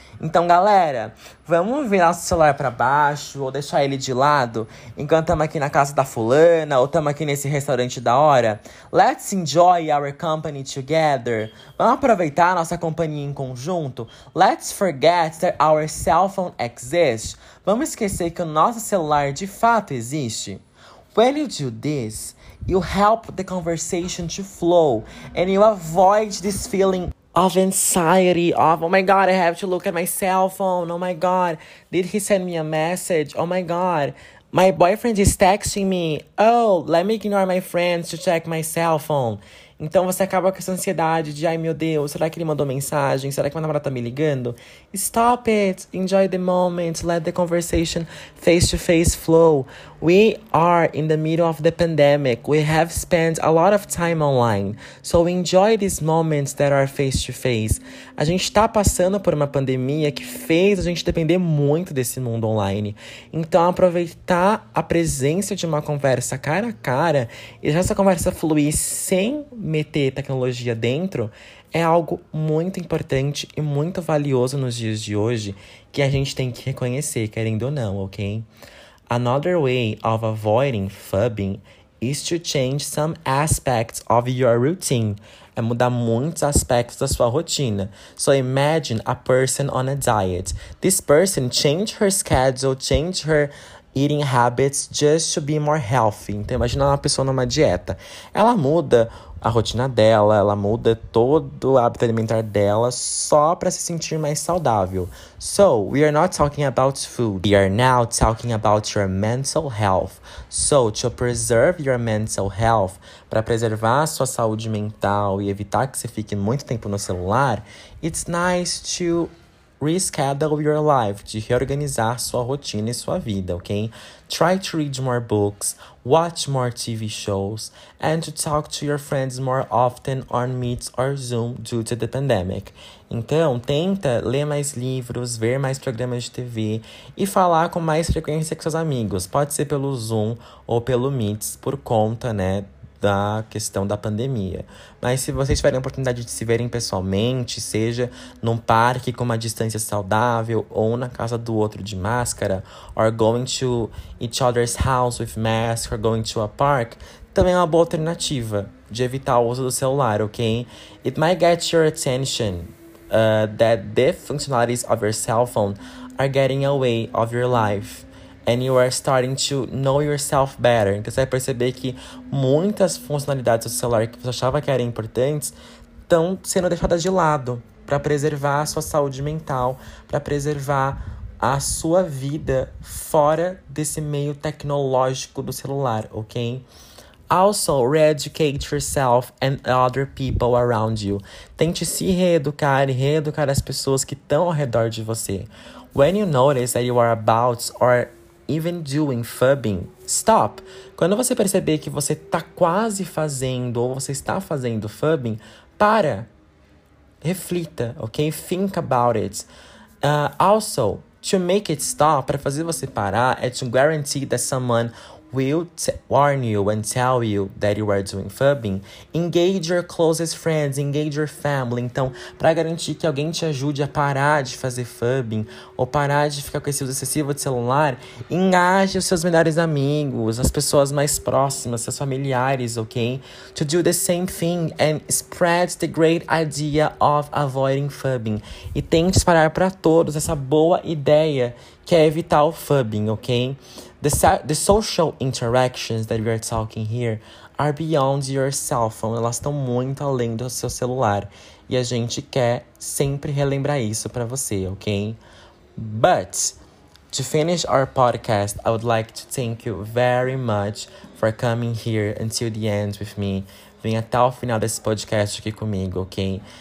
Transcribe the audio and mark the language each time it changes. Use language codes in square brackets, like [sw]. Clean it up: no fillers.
[pt] Então, galera, vamos virar nosso celular pra baixo ou deixar ele de lado enquanto estamos aqui na casa da fulana ou estamos aqui nesse restaurante da hora. [en] Let's enjoy our company together. [pt] Vamos aproveitar a nossa companhia em conjunto. [en] Let's forget that our cell phone exists. [pt] Vamos esquecer que o nosso celular de fato existe. [en] When you do this, you help the conversation to flow and you avoid this feeling of anxiety, of, oh my God, I have to look at my cell phone, oh my God, did he send me a message, oh my God, my boyfriend is texting me, oh, let me ignore my friends to check my cell phone. [pt] Então você acaba com essa ansiedade de, ai meu Deus, será que ele mandou mensagem, será que meu namorado tá me ligando? [en] Stop it, enjoy the moment, let the conversation face to face flow. We are in the middle of the pandemic, we have spent a lot of time online, so enjoy these moments that are face to face. [pt] A gente tá passando por uma pandemia que fez a gente depender muito desse mundo online, então aproveitar a presença de uma conversa cara a cara e deixar essa conversa fluir sem meter tecnologia dentro é algo muito importante e muito valioso nos dias de hoje que a gente tem que reconhecer, querendo ou não, ok? [en] Another way of avoiding fubbing is to change some aspects of your routine. [pt] É mudar muitos aspectos da sua rotina. [en] So imagine a person on a diet. This person changed her schedule, changed her eating habits just to be more healthy. [pt] Então imagina uma pessoa numa dieta. Ela muda a rotina dela, ela muda todo o hábito alimentar dela só para se sentir mais saudável. [en] So, we are not talking about food. We are now talking about your mental health. So, to preserve your mental health, [pt] para preservar a sua saúde mental e evitar que você fique muito tempo no celular, [en] it's nice to reschedule your life, [pt] de reorganizar sua rotina e sua vida, ok? [en] Try to read more books, watch more TV shows, and to talk to your friends more often on Meets or Zoom due to the pandemic. [pt] Então, tenta ler mais livros, ver mais programas de TV e falar com mais frequência com seus amigos. Pode ser pelo Zoom ou pelo Meets, por conta, né, da questão da pandemia. Mas se vocês tiverem a oportunidade de se verem pessoalmente, seja num parque com uma distância saudável ou na casa do outro de máscara, [en] or going to each other's house with masks, or going to a park, [pt] também é uma boa alternativa de evitar o uso do celular, ok? [en] It might get your attention that the functionalities of your cell phone are getting away of your life. And you are starting to know yourself better. [pt] Então você vai perceber que muitas funcionalidades do celular que você achava que eram importantes estão sendo deixadas de lado para preservar a sua saúde mental, para preservar a sua vida fora desse meio tecnológico do celular, ok? [en] Also, re-educate yourself and other people around you. [pt] Tente se reeducar e reeducar as pessoas que estão ao redor de você. [en] When you notice that you are about or even doing fubbing, stop. [pt] Quando você perceber que você tá quase fazendo ou você está fazendo fubbing, para. Reflita, ok? [en] Think about it. Also, to make it stop, [pt] para fazer você parar, é [en] to guarantee that someone will warn you and tell you that you are doing fubbing. Engage your closest friends, engage your family. [pt] Então, para garantir que alguém te ajude a parar de fazer fubbing ou parar de ficar com esse uso excessivo de celular, engaje os seus melhores amigos, as pessoas mais próximas, seus familiares, ok? [en] To do the same thing and spread the great idea of avoiding fubbing. [pt] E tente espalhar para todos essa boa ideia que é evitar o fubbing, ok? [en] The social interactions that we are talking here are beyond your cell phone. [pt] Elas estão muito além do seu celular. E a gente quer sempre relembrar isso para você, ok? [en] But to finish our podcast, I would like to thank you very much for coming here until the end with me. [pt] Vem até o final desse podcast aqui comigo, ok?